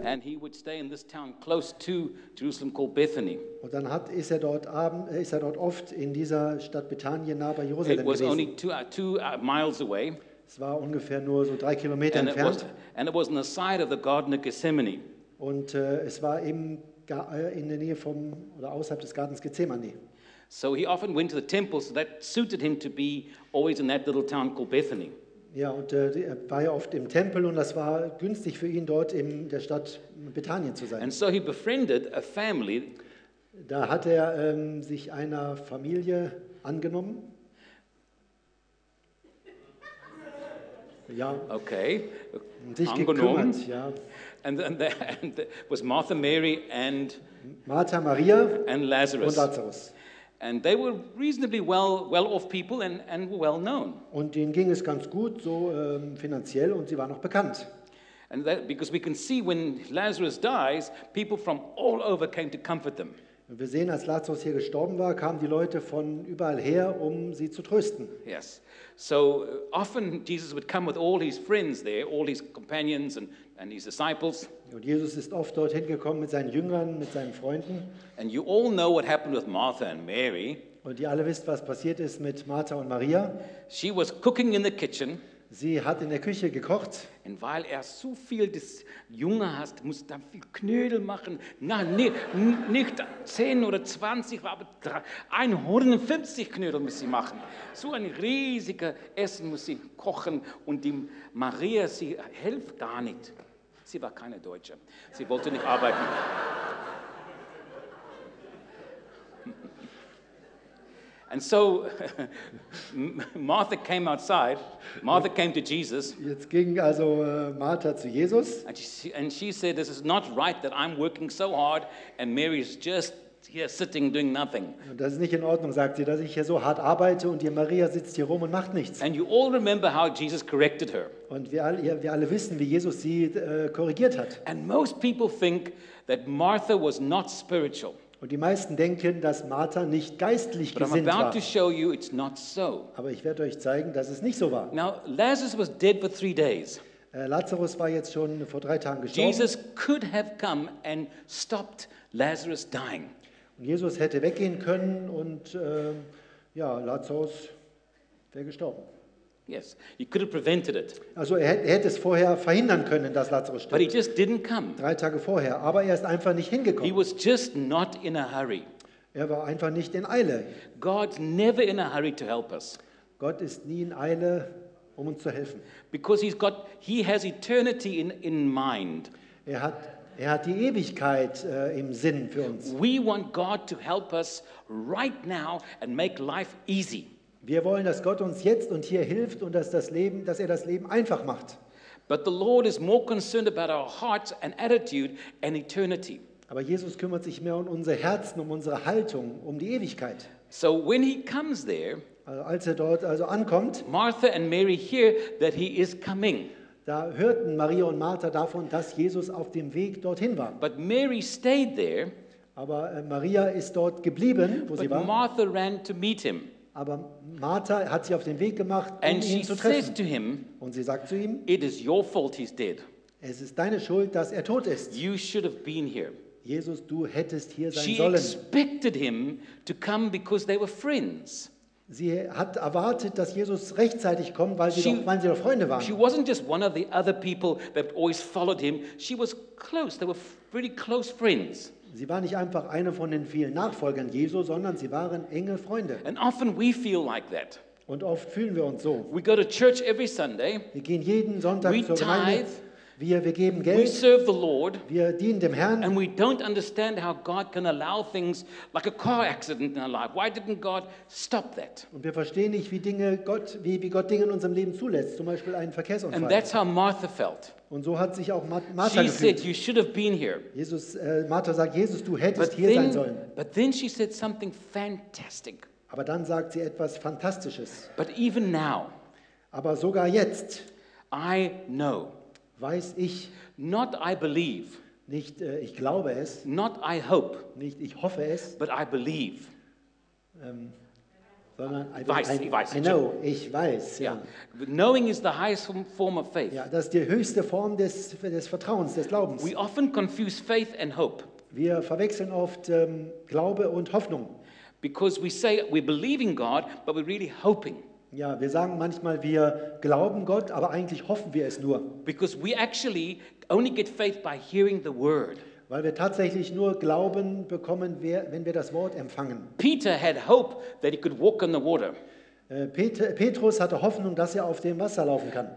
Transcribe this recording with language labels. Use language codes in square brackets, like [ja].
[en] And he would stay in this town close to Jerusalem called Bethany. [de] Und dann ist er dort oft in dieser Stadt Bethanien nahe bei Jerusalem gewesen. [en] It was only two miles away. [de] Es war ungefähr nur so 3 Kilometer entfernt. [en] And it was on the side of the Garden of Gethsemane. [de] Und es war eben in der Nähe vom oder außerhalb des Gartens Gethsemane. [en] So he often went to the temple, so that suited him to be always in that little town called Bethany. [de] Ja, und er war ja oft im Tempel und das war günstig für ihn, dort in der Stadt Bethanien zu sein. [en] And so he befriended a family. [de] Da hat er sich einer Familie angenommen. Ja. Okay. Sich angenommen. Gekümmert, ja. [en] And was Martha, Mary and [de] Martha, Maria [en] and Lazarus. [de] Und Lazarus. [en] And they were reasonably well-off people and were well-known. [de] Und denen ging es ganz gut, so finanziell, und sie waren auch bekannt. [en] And that, because we can see when Lazarus dies, people from all over came to comfort them. [de] Und wir sehen, als Lazarus hier gestorben war, kamen die Leute von überall her, um sie zu trösten. [en] Yes. So often Jesus would come with all his friends there, all his companions and his disciples. [de] Und Jesus ist oft dorthin gekommen mit seinen Jüngern, mit seinen Freunden. [en] And you all know what happened with Martha and Mary. [de] Und ihr alle wisst, was passiert ist mit Martha und Maria. [en] She was cooking in the kitchen. [de] Sie hat in der Küche gekocht. Und weil er so viel des Jungen hast, muss dann viel Knödel machen. Nicht 10 oder 20, aber 150 Knödel muss sie machen. So ein riesiges Essen muss sie kochen. Und die Maria, sie hilft gar nicht. Sie war keine Deutsche. Sie wollte nicht arbeiten. [en] And so Martha came outside. Martha came to Jesus. [de] Jetzt ging also Martha zu Jesus. [en] And she said, "This is not right that I'm working so hard and Mary is just here sitting doing nothing." [de] Das ist nicht in Ordnung, sagt sie, dass ich hier so hart arbeite und die Maria sitzt hier rum und macht nichts. [en] And you all remember how Jesus corrected her. [de] Und wir alle wissen, wie Jesus sie korrigiert hat. [en] And most people think that Martha was not spiritual. [de] Und die meisten denken, dass Martha nicht geistlich gesinnt war. [en] To show you it's not so. [de] Aber ich werde euch zeigen, dass es nicht so war. [en] Now, Lazarus was dead for 3 days. [de] Lazarus war jetzt schon vor 3 Tagen gestorben. [en] Jesus could have come and stopped Lazarus dying. [de] Und Jesus hätte weggehen können und Lazarus wäre gestorben. [en] Yes, he could have prevented it. [de] Also er hätte es vorher verhindern können, dass Lazarus stirbt. [en] But he just didn't come. [de] 3 Tage vorher, aber er ist einfach nicht hingekommen. [en] He was just not in a hurry. [de] Er war einfach nicht in Eile. [en] God's never in a hurry to help us. [de] Gott ist nie in Eile, um uns zu helfen. [en] Because he has eternity in mind. [de] Er hat die Ewigkeit im Sinn für uns. [en] We want God to help us right now and make life easy. [de] Wir wollen, dass Gott uns jetzt und hier hilft und dass er das Leben einfach macht. [en] But the Lord is more concerned about our hearts and attitude and eternity. [de] Aber Jesus kümmert sich mehr um unser Herzen, um unsere Haltung, um die Ewigkeit. [en] So when he comes there, [de] also als er dort also ankommt, [en] Martha and Mary hear that he is coming. [de] Da hörten Maria und Martha davon, dass Jesus auf dem Weg dorthin war. [en] But Mary stayed there. [de] Aber Maria ist dort geblieben, wo [en] but [de] sie war. [en] Martha ran to meet him. [de] Aber Martha hat sich auf den Weg gemacht, um [en] and [de] ihn [en] she [de] zu treffen. [en] To him, [de] und sie sagt zu ihm, [en] it is your fault he's dead. [de] Es ist deine Schuld, dass er tot ist. [en] You should have been here. [de] Jesus, du hättest hier sein [en] she [de] sollen. [en] Expected him to come because they were friends. [de] Sie hat erwartet, dass Jesus rechtzeitig kommt, weil sie doch Freunde waren. [en] She wasn't just one of the other people that always followed him. She was close. They were really close friends. [de] Sie war nicht einfach eine von den vielen Nachfolgern Jesu, sondern sie waren enge Freunde. [en] And often we feel like that. [de] Und oft fühlen wir uns so. [en] We go to church every Sunday. [de] Wir gehen jeden Sonntag [en] we [de] zur Gemeinde. [en] Tithe. [de] Wir geben Geld. [en] We serve the Lord. [de] Wir dienen dem Herrn. [en] And we don't understand how God can allow things like a car accident in our life. Why didn't God stop that? [de] Und wir verstehen nicht, wie Gott Dinge in unserem Leben zulässt, zum Beispiel einen Verkehrsunfall. [en] And that's how Martha felt. [de] Und so hat sich auch Martha [en] she [de] gefühlt. [en] Said, you should have been here. [de] Jesus, Martha sagt, Jesus, du hättest hier sein sollen. [en] But then she said something fantastic. [de] Aber dann sagt sie etwas Fantastisches. [en] But even now, [de] aber sogar jetzt, [en] I know, [de] weiß ich, [en] not I believe, [de] nicht ich glaube es, [en] not I hope, [de] nicht ich hoffe es, [en] but I believe. [de] sondern ich weiß. Ja. [en] Knowing is the highest form of faith. [de] Ja, das ist die höchste Form des Vertrauens, des Glaubens. [en] We often confuse faith and hope. [de] Wir verwechseln oft Glaube und Hoffnung. [en] Because we say we believe in God, but we're really hoping. [de] Ja, wir sagen manchmal, wir glauben Gott, aber eigentlich hoffen wir es nur. [en] Because we actually only get faith by hearing the word. [de] Weil wir tatsächlich nur Glauben bekommen, wenn wir das Wort empfangen. [en] Peter had hope that he could walk on the water. [de] Petrus hatte Hoffnung, dass er auf dem Wasser laufen kann.